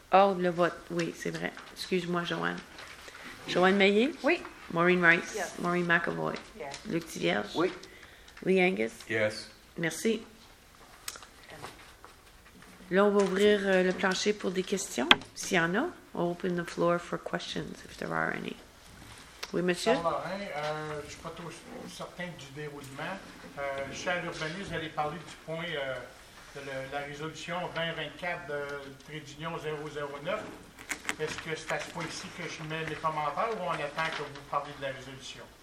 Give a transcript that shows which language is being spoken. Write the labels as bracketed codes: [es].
[fr] Hors de le vote, oui, c'est vrai. Excuse-moi, Joanne. Joanne Meillet? Oui. Maureen Rice? [en] Yes. [fr] Maureen McAvoy? [en] Yes. [fr] Luc Thivierge? Oui. Lee Angus? [en] Yes. [fr] Merci. Là, on va ouvrir le plancher pour des questions, s'il y en a. [en] Open the floor for questions, if there are any. [fr] Oui, monsieur? Je ne suis pas trop certain du déroulement. Cher Urbanie, vous allez parler du point... La résolution 2024 de trait d'union 009. Est-ce que c'est à ce point-ci que je mets les commentaires ou on attend que vous parliez de la résolution?